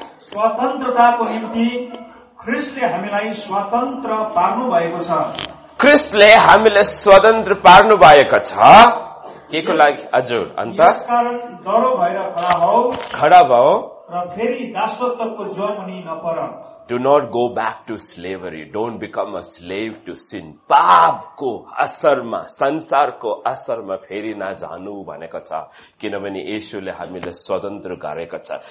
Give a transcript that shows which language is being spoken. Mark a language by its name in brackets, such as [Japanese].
[Nepali] स्वतन्त्रताको निम्ति ख्रिस्टले हामीलाई स्वतन्त्र पार्नु भएको छ, ख्रिस्टले हामीलाई स्वतन्त्र पार्नु भएको छ, के को लागि, हजुर, अन्त डरो भएर खडा हौ, खडा भयो र फेरि दासत्वको जुवामुनि नपर। [English] Do not go back to slavery. Don't become a slave to sin. [Nepali] पापको असरमा, संसारको असरमा फेरि नजानु भनेको छ, किनभने येशूले हामीलाई स्वतन्त्र गरेको छ।